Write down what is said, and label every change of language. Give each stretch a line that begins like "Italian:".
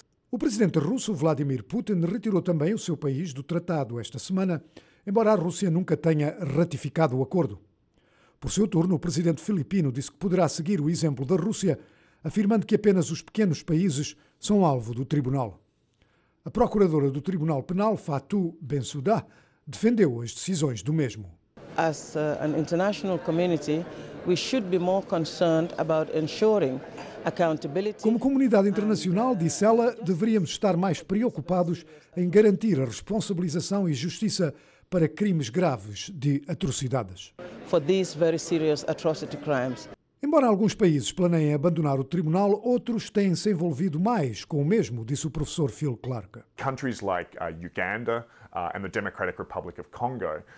Portuguese: O presidente russo Vladimir Putin retirou também o seu país do tratado esta semana, embora a Rússia nunca tenha ratificado o acordo. Por seu turno, o presidente filipino disse que poderá seguir o exemplo da Rússia, afirmando que apenas os pequenos países são alvo do tribunal. A procuradora do Tribunal Penal, Fatou Bensouda, defendeu as decisões do mesmo.
English: As an international community, we should be more concerned about ensuring accountability.
Portuguese: Como comunidade internacional, disse ela, deveríamos estar mais preocupados em garantir a responsabilização e justiça para crimes graves de atrocidades.
English: For these very serious atrocity crimes.
Portuguese: Embora alguns países planeiem abandonar o tribunal, outros têm se envolvido mais com o mesmo, disse o professor Phil Clark.
English: Countries like Uganda and the Democratic Republic of Congo.